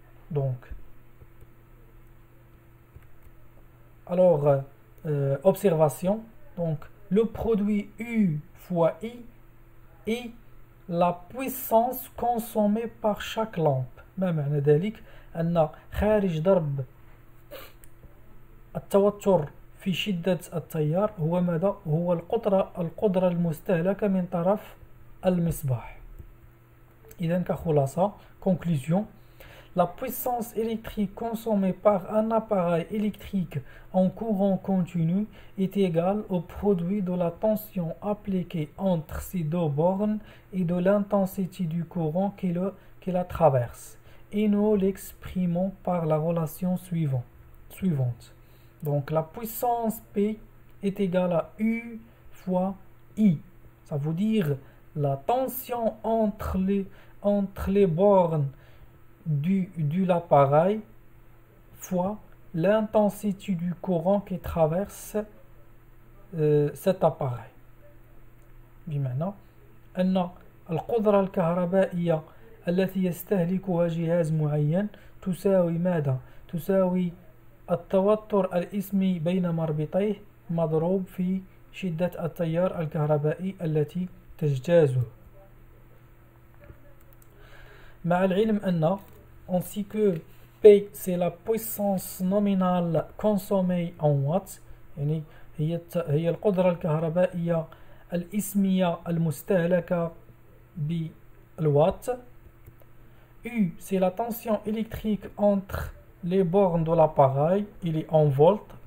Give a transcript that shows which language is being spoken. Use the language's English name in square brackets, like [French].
[French] Donc, alors, observation, donc le produit U fois I est la puissance consommée par chaque lampe. Même en adélic, [Arabic] أن خارج ضرب التوتر في شدة التيار هو ماذا؟ هو القدرة المستهلكة من طرف المصباح. إذن كخلاصة [French] conclusion la puissance électrique consommée par un appareil électrique en courant continu est égale au produit de la tension appliquée entre ces deux bornes et de l'intensité du courant qui la traverse. Et nous l'exprimons par la relation suivante. Donc la puissance P est égale à U fois I. Ça veut dire la tension entre les bornes de l'appareil fois l'intensité du courant qui traverse cet appareil. Dis maintenant, la puissance électrique [Arabic] التي يستهلكها جهاز معين تساوي ماذا؟ تساوي التوتر الإسمي بين مربطيه مضروب في شدة التيار الكهربائي التي تجتازه. مع العلم أن [French] ainsi que P c'est la puissance nominale consommée en watts [Arabic] يعني هي القدرة الكهربائية الإسمية المستهلكة بالوات. [French] U, c'est la tension électrique entre les bornes de l'appareil. Il est en volts.